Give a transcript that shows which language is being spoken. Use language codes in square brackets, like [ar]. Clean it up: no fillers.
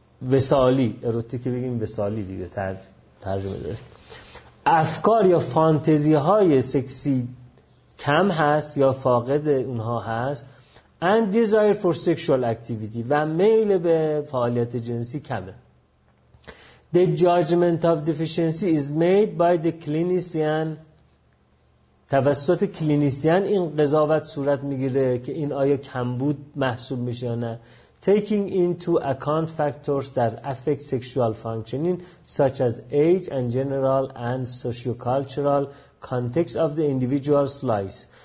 [fa] وسالی، اروتیک بگیم وسالی دیگه ترجمه داره، افکار یا فانتزی های سکسی کم هست یا فاقد اونها هست، [en] and desire for sexual activity [fa] و میل به فعالیت جنسی کمه. [en] The judgment of deficiency is made by the clinician. [fa] توسط کلینیسیان این قضاوت صورت میگیره که این آیا کمبود محسوب میشه یا نه. [en] Taking into account factors that affect sexual functioning such as age and general and socio-cultural context of the individual's life.